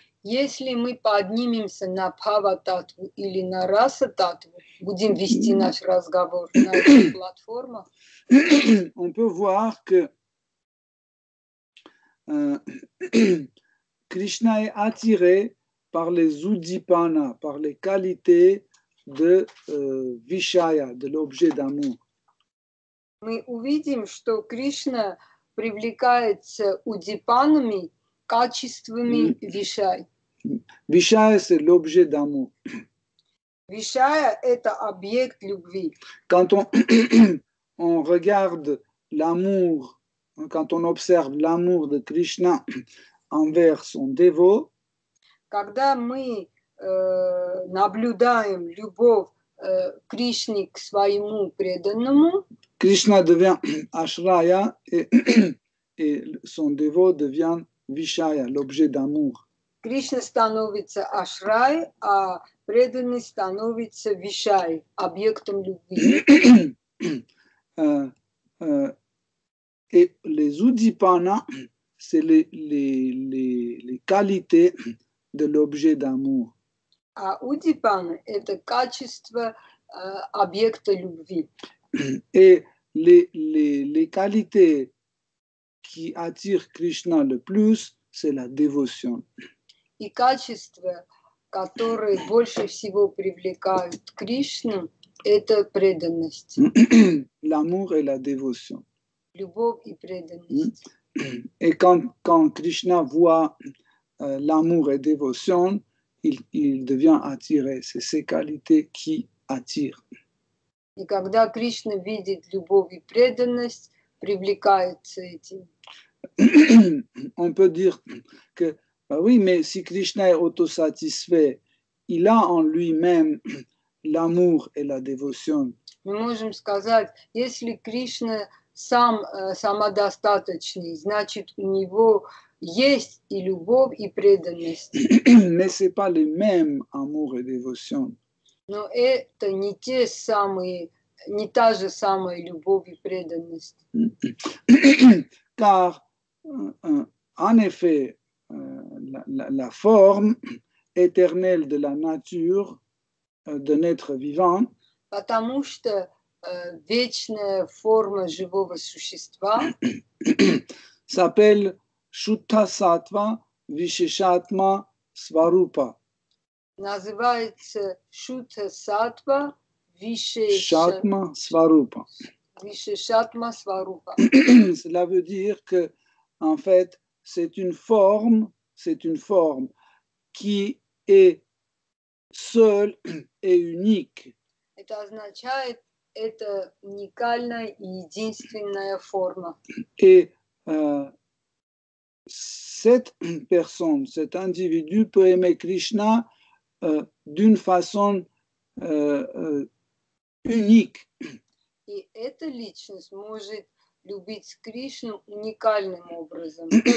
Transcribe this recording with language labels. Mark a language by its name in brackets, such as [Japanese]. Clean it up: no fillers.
[Russian] если мы поднимемся на Bhava-tattva или на Rasa-tattva, будем вести наш разговор на этой платформе, [French] on peut voir que Krishna est attiré par les Udipana, par les qualités de Vishaya, de l'objet d'amour. [Russian] Мы увидим, что Кришна привлекается удипанами, качествами Вишай. [French] Вишая – c'est l'objet d'amour. [Russian] Вишая – это объект любви. [French] Quand on regarde l'amour, quand on observe l'amour de Krishna envers son dévot, [Russian] когда мы наблюдаем любовь Кришны к своему преданному, [French] Кришна devient Ашрая, et son dévot devient Вишая, l'objet d'amour. [Russian] Кришна становится Ашрай, а преданный становится Вишай, объектом любви. [French] Et les Удипана, c'est les qualités de l'objet d'amour. [Russian] А Удипана – это качество объекта любви. [French] Et les qualités qui attirent Krishna le plus, c'est la dévotion. [Russian] И качество, которые больше всего привлекают Кришну, это преданность. [French] L'amour et la dévotion. [Russian] Любовь и преданность. [French] Et quand Krishna voit l'amour et dévotion, il devient attiré. C'est ces qualités qui attirent. [Russian] И когда Кришна видит любовь и преданность, привлекаются эти. [French] On peut dire que oui, mais si Krishna est autosatisfait, il a en lui-même l'amour et la dévotion. [Russian] Мы можем сказать, если Кришна сам самодостаточный, значит у него есть и любовь, и преданность. [French] Mais c'est pas les mêmes amour et dévotion. [Russian] Но это не те самые, не та же самая любовь и преданность. [French] Car en effet, la forme éternelle de la nature d'un être vivant. [Russian] Потому что вечная форма живого существа [French] s'appelle Shuddha Sattva Visheshatma Svarupa. [Russian] Называется Shuddha Sattva Visheshatma Svarupa. Visheshatma Svarupa. [French] Cela veut dire que en fait, c'est une forme qui est seule et unique. [Russian] Это означает, это уникальная и единственная форма. [French] Et cette personne, cet individu peut aimer Krishna d'une façon unique. [Russian] И эта личность может любить Кришну уникальным образом.